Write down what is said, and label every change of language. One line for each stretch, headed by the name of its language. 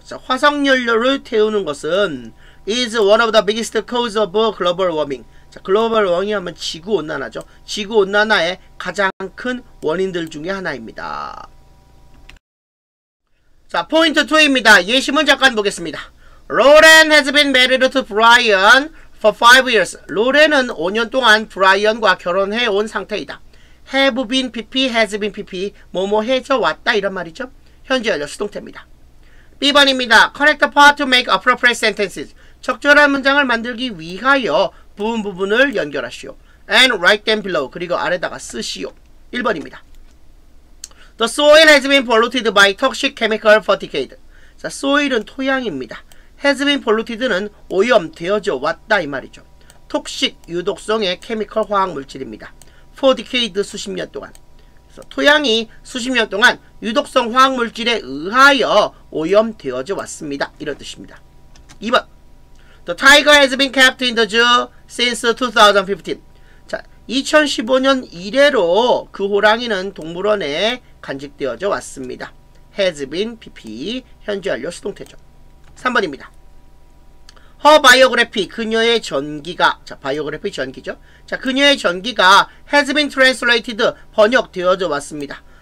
English: 자,
Korean: 화석연료를 태우는 것은
English: is one of the biggest cause of global warming.
Korean: 자, 글로벌 워밍이 하면 지구온난화죠. 지구온난화의 가장 큰 원인들 중에 하나입니다. 자, 포인트 2입니다. 예시문 잠깐 보겠습니다.
English: Lauren has been married to Brian for 5 years.
Korean: 로렌은 5년 동안 브라이언과 결혼해 온 상태이다. Have been PP, has been PP, 뭐뭐 해져 왔다, 이런 말이죠. 현재 완료 수동태입니다. B번입니다.
English: Correct part to make appropriate sentences.
Korean: 적절한 문장을 만들기 위하여 부분 부분을 연결하시오.
English: And write them below.
Korean: 그리고 아래다가 쓰시오. 1번입니다.
English: The soil has been polluted by toxic chemical for decades.
Korean: 자, soil은 토양입니다.
English: Has been polluted
Korean: 는 오염되어져 왔다, 이 말이죠. Toxic, 유독성의 케미컬 화학물질입니다.
English: For decades,
Korean: 수십 년 동안. 그래서 토양이 수십 년 동안 유독성 화학물질에 의하여 오염되어져 왔습니다, 이런 뜻입니다. 2번.
English: The tiger has been kept in the zoo since 2015.
Korean: 자, 2015년 이래로 그 호랑이는 동물원에 간직되어져 왔습니다. Has been PP, 현재 완료 수동태죠. 3번입니다. Her biography, 그녀의 전기가. 자, biography 전기죠. 자, 그녀의 전기가
English: has been translated,
Korean: 번역되어져 왔습니다.